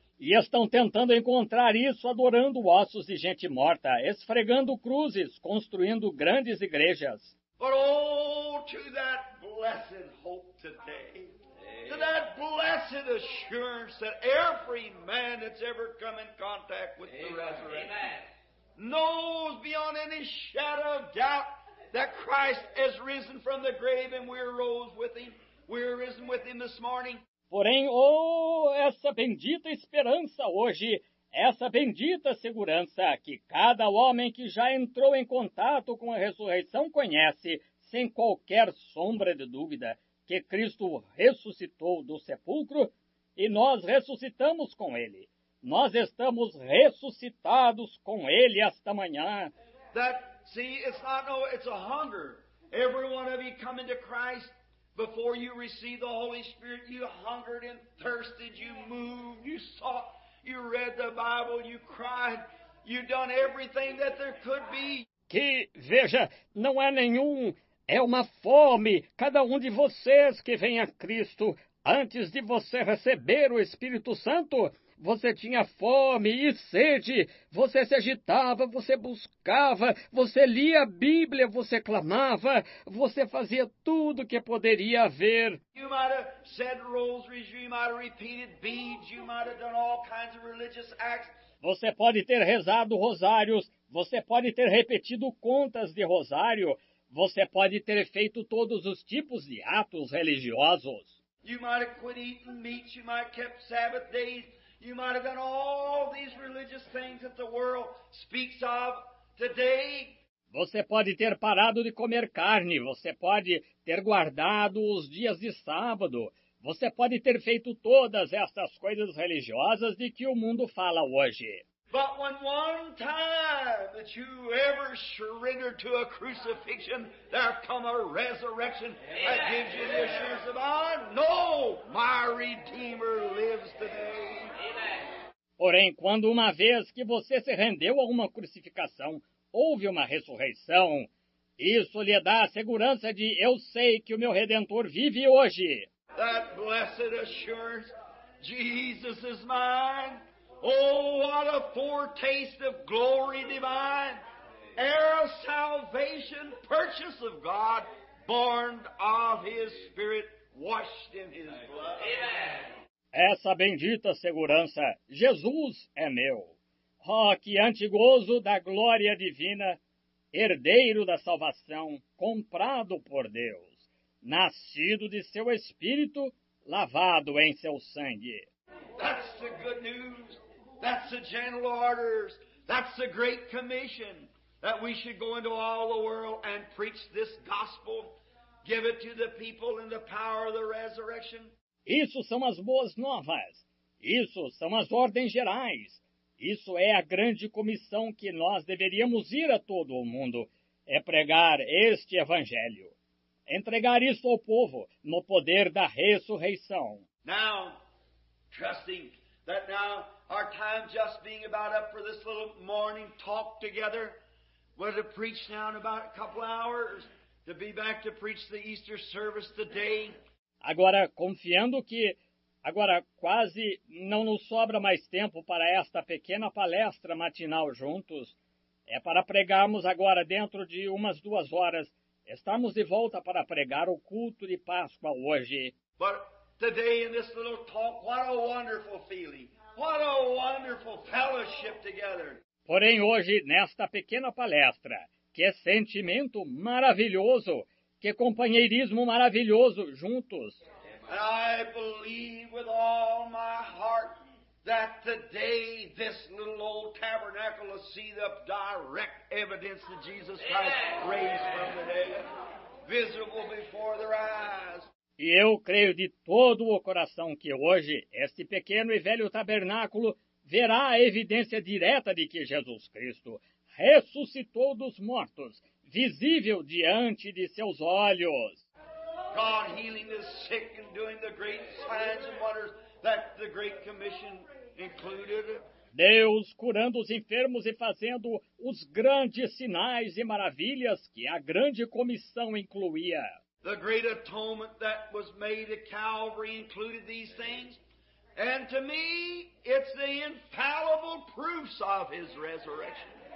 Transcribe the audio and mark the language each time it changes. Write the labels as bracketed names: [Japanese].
[Portuguese] E estão tentando encontrar isso adorando ossos de gente morta, esfregando cruzes, construindo grandes igrejas. [English] But oh, to that blessed hope today. To that blessed assurance that every man that's ever come in contact with Amen. The resurrection knows beyond any shadow of doubt that Christ has risen from the grave and we arose with him. We are risen with him this morning. [Portuguese] Porém, oh, essa bendita esperança hoje, essa bendita segurança que cada homem que já entrou em contato com a ressurreição conhece, sem qualquer sombra de dúvida, que Cristo ressuscitou do sepulcro e nós ressuscitamos com ele. Nós estamos ressuscitados com ele esta manhã. [English] That, see, it's not, no, it's a hunger. Every one of you coming to Christ. Before you received the Holy Spirit, you hungered and thirsted, you moved, you sought, you read the Bible, you cried, you done everything that there could be. [Portuguese] Que, veja, não é nenhum, é uma fome. Cada um de vocês que vem a Cristo, antes de você receber o Espírito Santo, você tinha fome e sede, você se agitava, você buscava, você lia a Bíblia, você clamava, você fazia tudo o que poderia haver. [English] You might have said rosaries, you might have repeated beads, you might have done all kinds of religious acts. [Portuguese] Você pode ter rezado rosários, você pode ter repetido contas de rosário, você pode ter feito todos os tipos de atos religiosos. [English] You might have quit eating meat, you might have kept Sabbath days. You might have done all these religious things that the world speaks of today. [Portuguese] Você pode ter parado de comer carne. Você pode ter guardado os dias de sábado. Você pode ter feito todas essas coisas religiosas de que o mundo fala hoje. [English] But when one time that you ever surrendered to a crucifixion, there come a resurrection that gives you the assurance of, I know my Redeemer lives today. [Portuguese] Porém, quando uma vez que você se rendeu a uma crucificação, houve uma ressurreição, isso lhe dá a segurança de eu sei que o meu Redentor vive hoje. [English] That blessed assurance, Jesus is mine. Oh, what a foretaste of glory divine. Heir of salvation, purchase of God, born of his spirit, washed in his blood. Amen. [Portuguese] Essa bendita segurança, Jesus é meu. Oh, que antigozo da glória divina, herdeiro da salvação, comprado por Deus, nascido de seu Espírito, lavado em seu sangue. [English] That's the good news. That's the general orders. That's the great commission. That we should go into all the world and preach this gospel. Give it to the people in the power of the resurrection. [Portuguese] Isso são as boas novas. Isso são as ordens gerais. Isso é a grande comissão que nós deveríamos ir a todo o mundo. É pregar este evangelho. Entregar isso ao povo no poder da ressurreição. [English] Now, trusting that now our time just being about up for this little morning talk together, we're to preach now in about a couple hours, to be back to preach the Easter service today. [Portuguese] Agora, confiando que agora quase não nos sobra mais tempo para esta pequena palestra matinal juntos, é para pregarmos agora dentro de umas duas horas. Estamos de volta para pregar o culto de Páscoa hoje. [English] But today in this little talk, what a wonderful feeling. What a wonderful fellowship together. [Portuguese] Porém, hoje, nesta pequena palestra, que sentimento maravilhoso, que companheirismo maravilhoso juntos. [English] And I believe with all my heart that today this little old tabernacle will see the direct evidence that Jesus Christ raised from the dead, visible before their eyes. [Portuguese] E eu creio de todo o coração que hoje este pequeno e velho tabernáculo verá a evidência direta de que Jesus Cristo ressuscitou dos mortos, visível diante de seus olhos. [English] God healing the sick and doing the great signs and wonders that the Great Commission included. [Portuguese] Deus curando os enfermos e fazendo os grandes sinais e maravilhas que a grande comissão incluía. [English] The great atonement that was made at Calvary included these things. And to me, it's the infallible proofs of his resurrection.